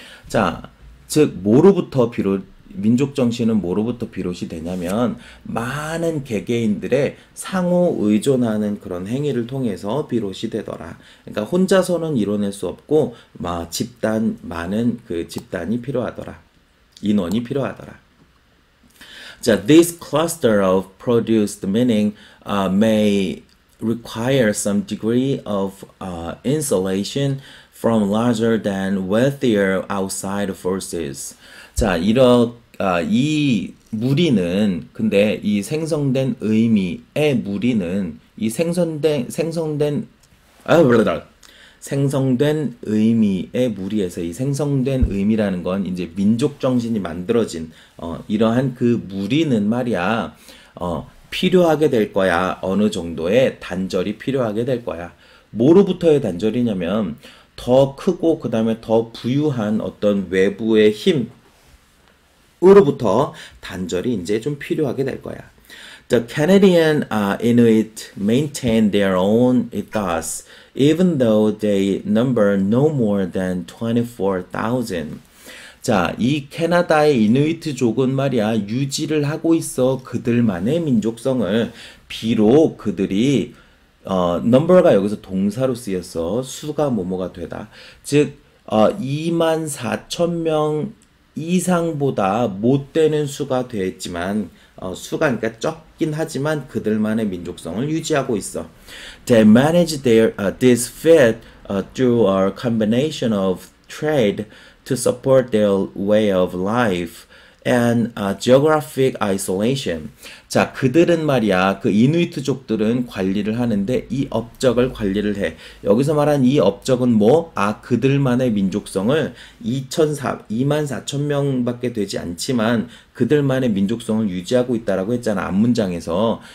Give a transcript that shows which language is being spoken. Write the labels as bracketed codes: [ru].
[ko] 자, 즉 민족 정신은 뭐로부터 비롯이 되냐면 많은 개개인들의 상호 의존하는 그런 행위를 통해서 비롯이 되더라. 그러니까 혼자서는 이뤄낼 수 없고 막 집단 많은 그 집단이 필요하더라. 인원이 필요하더라. [en] 자, this cluster of produced meaning may require some degree of insulation from larger than wealthier outside forces. [ko] 자, 이 무리는, 근데 이 생성된 의미의 무리는, 생성된 의미의 무리에서 이 생성된 의미라는 건 이제 민족 정신이 만들어진, 이러한 그 무리는 말이야, 필요하게 될 거야. 어느 정도의 단절이 필요하게 될 거야. 뭐로부터의 단절이냐면, 더 크고, 그 다음에 더 부유한 어떤 외부의 힘으로부터 단절이 이제 좀 필요하게 될 거야. [en] The Canadian Inuit maintain their own ethos, even though they number no more than 24,000. [ko] 자, 이 캐나다의 이누이트족은 말이야, 유지를 하고 있어. 그들만의 민족성을. 비록 그들이, number가 여기서 동사로 쓰였어. 수가 뭐뭐가 되다. 즉, 2만 4천 명 이상보다 못 되는 수가 되었지만, 수가 그러니까 적긴 하지만 그들만의 민족성을 유지하고 있어. [en] They manage this fit through a combination of trade to support their way of life and geographic isolation. [ko] 자, 그들은 말이야, 그 이누이트족들은 관리를 하는데 이 업적을 관리를 해. 여기서 말한 이 업적은 뭐? 아, 그들만의 민족성을 2만 4천 명밖에 되지 않지만 그들만의 민족성을 유지하고 있다라고 했잖아, 앞문장에서.